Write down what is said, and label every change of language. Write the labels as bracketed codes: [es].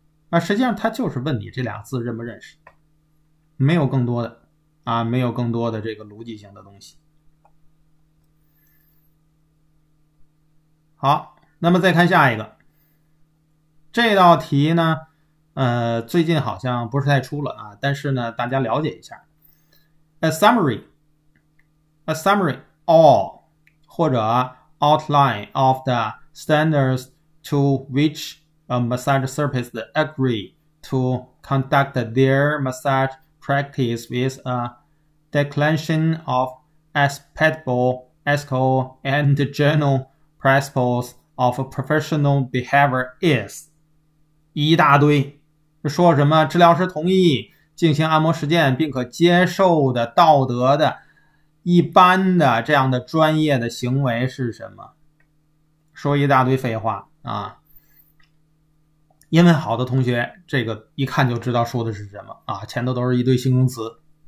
[zh] 啊，实际上他就是问你这俩字认不认识，没有更多的啊，没有更多的这个逻辑性的东西。好，那么再看下一个，这道题呢，最近好像不是太出了啊，但是呢，大家了解一下。 [en] A summary all 或者 outline of the standards to which a massage therapist agree to conduct their massage practice with a declination of acceptable ethical and general principles of professional behavior is [zh] 一大堆，说什么治疗师同意。进行按摩实践，并可接受的道德的、一般的这样的专业的行为是什么？说一大堆废话啊！因为好多同学这个一看就知道说的是什么啊，前头都是一堆形容词。